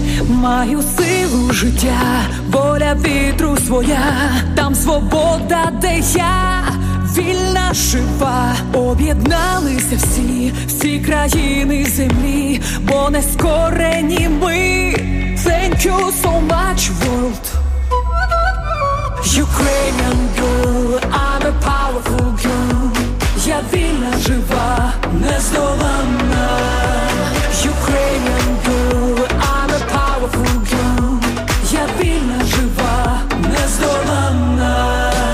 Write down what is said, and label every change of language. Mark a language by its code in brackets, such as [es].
[uk] маю силу життя, воля вітру своя, там свобода, де я вільна, жива. Об'єдналися всі, всі країни землі, бо не скорені ми. [en] Thank you so much, world. Ukrainian girl, I'm a powerful girl. [uk] Я вільна, жива, нездоланна. [en] Ukrainian girl, I'm a powerful girl. [uk] Я вільна, жива, нездоланна.